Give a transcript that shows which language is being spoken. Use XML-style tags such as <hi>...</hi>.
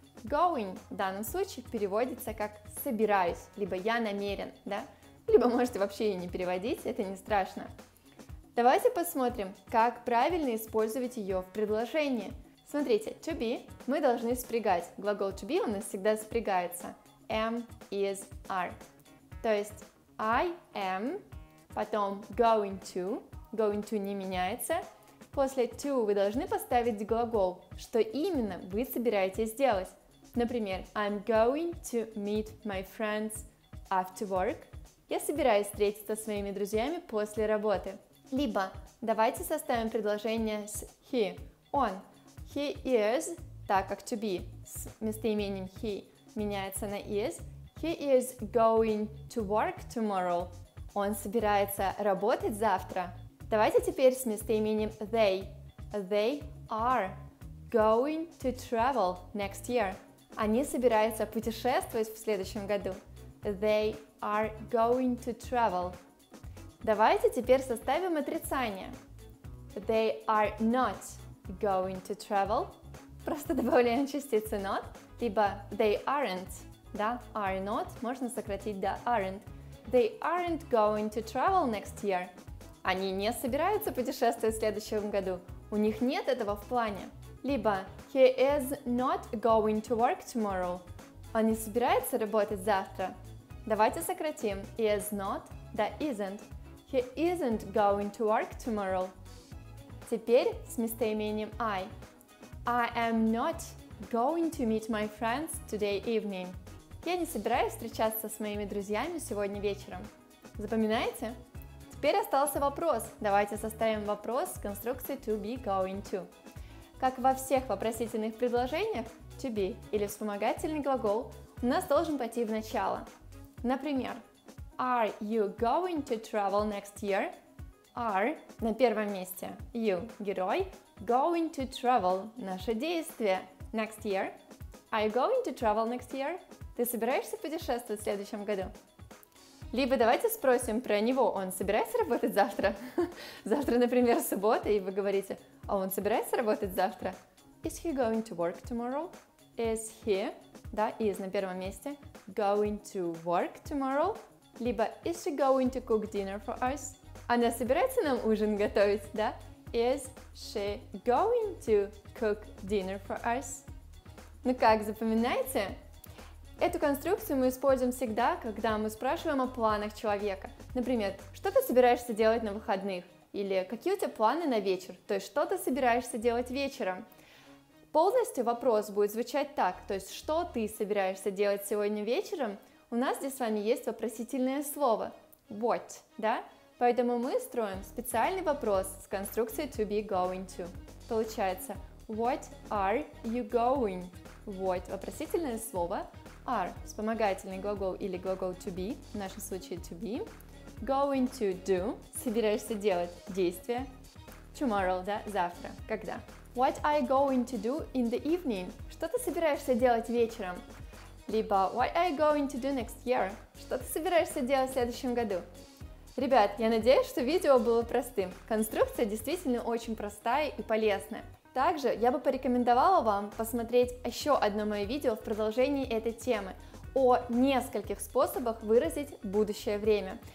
<ru>«Going» в данном случае переводится как «собираюсь», либо «я намерен», да? Либо можете вообще ее не переводить, это не страшно. Давайте посмотрим, как правильно использовать ее в предложении. Смотрите, «to be» мы должны спрягать. Глагол «to be» у нас всегда спрягается.</ru> <en>«Am», «is», «are».</en> <ru>То есть</ru> <en>«I am»,</en> <ru>потом</ru> <en>«going to», «going to»</en> <ru>не меняется. После «to» вы должны поставить глагол, что именно вы собираетесь сделать.</ru> <en>Например, I'm going to meet my friends after work.</en> <ru>Я собираюсь встретиться с моими друзьями после работы. Либо давайте составим предложение с he, он. He is, так как to be, с местоимением he меняется на is.</ru> <en>He is going to work tomorrow.</en> <ru>Он собирается работать завтра. Давайте теперь с местоимением they.</ru> <en>They are going to travel next year.</en> <ru>Они собираются путешествовать в следующем году.</ru> <en>They are going to travel.</en> <ru>Давайте теперь составим отрицание.</ru> <en>They are not going to travel.</en> <ru>Просто добавляем частицы not, либо they aren't. Да, are not можно сократить до aren't.</ru> <en>They aren't going to travel next year.</en> <ru>Они не собираются путешествовать в следующем году. У них нет этого в плане.</ru> <en>Либо he is not going to work tomorrow.</en> <ru>Он не собирается работать завтра. Давайте сократим is not до isn't.</ru> <en>He isn't going to work tomorrow.</en> <ru>Теперь с местоимением I.</ru> <en>I am not going to meet my friends today evening.</en> <ru>Я не собираюсь встречаться с моими друзьями сегодня вечером. Запоминаете? Теперь остался вопрос. Давайте составим вопрос с конструкцией to be going to. Как во всех вопросительных предложениях, to be или вспомогательный глагол, у нас должен пойти в начало.</ru> <en>Например, are you going to travel next year? Are</en> <ru>на первом месте,</ru> <en>you –</en> <ru>герой,</ru> <en>going to travel –</en> <ru>наше действие,</ru> <en>next year. Are you going to travel next year?</en> <ru>Ты собираешься путешествовать в следующем году? Либо давайте спросим про него, он собирается работать завтра? Завтра, например, суббота, и вы говорите: а он собирается работать завтра?</ru> <en>Is he going to work tomorrow? Is he, да, is на первом месте, going to work tomorrow? Либо is she going to cook dinner for us?</en> <ru>Она собирается нам ужин готовить, да?</ru> <en>Is she going to cook dinner for us?</en> <ru>Ну как, запоминаете? Эту конструкцию мы используем всегда, когда мы спрашиваем о планах человека. Например, что ты собираешься делать на выходных? Или какие у тебя планы на вечер? То есть, что ты собираешься делать вечером? Полностью вопрос будет звучать так, то есть, что ты собираешься делать сегодня вечером? У нас здесь с вами есть вопросительное слово what, да? Поэтому мы строим специальный вопрос с конструкцией to be going to.</ru> <en>Получается, what are you going?</en> <ru>What – вопросительное слово, are – вспомогательный глагол или глагол to be, в нашем случае to be,</ru> <en>going to do</en> <ru>– собираешься делать действие, tomorrow, да, завтра, когда.</ru> <en>What are you going to do in the evening?</en> <ru>Что ты собираешься делать вечером?</ru> <en>Либо what are you going to do next year?</en> <ru>Что ты собираешься делать в следующем году? Ребят, я надеюсь, что видео было простым. Конструкция действительно очень простая и полезная. Также я бы порекомендовала вам посмотреть еще одно мое видео в продолжении этой темы о нескольких способах выразить будущее время.</ru>